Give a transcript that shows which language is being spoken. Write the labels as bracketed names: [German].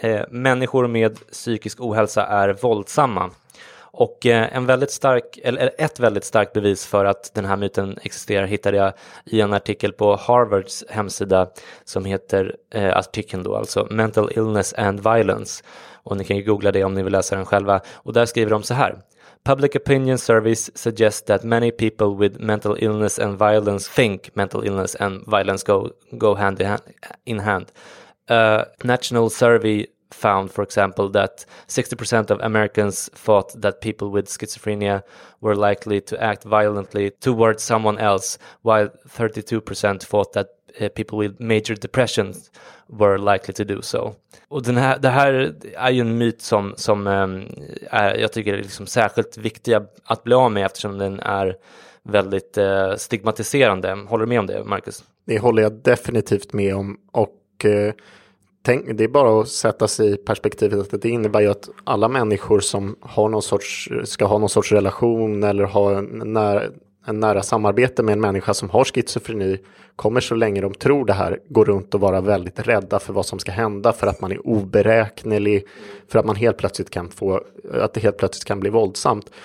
[Swedish] Människor med psykisk ohälsa är våldsamma. Och en väldigt stark, eller ett väldigt starkt bevis för att den här myten existerar hittade jag i en artikel på Harvards hemsida som heter artikeln då, alltså Mental Illness and Violence. Och ni kan ju googla det om ni vill läsa den själva. Och där skriver de så här: [English] Public opinion surveys suggest that many people with mental illness and violence think mental illness and violence go hand in hand. A national survey found, for example, that 60% of Americans thought that people with schizophrenia were likely to act violently towards someone else, while 32% thought that people with major depression were likely to do so. [Swedish] Och den här, det här är ju en myt som jag tycker är liksom särskilt viktig att bli av med, eftersom den är väldigt stigmatiserande. Håller du med om det, Marcus? Det håller jag definitivt med om. Och tänk, det är bara att sätta sig i perspektivet att det innebär ju att alla människor som har någon sorts, ska ha någon sorts relation eller ha en nära samarbete med en människa som har schizofreni kommer, så länge de tror det här, går runt och vara väldigt rädda för vad som ska hända, för att man är oberäknelig, för att man helt plötsligt kan få, att det helt plötsligt kan bli våldsamt.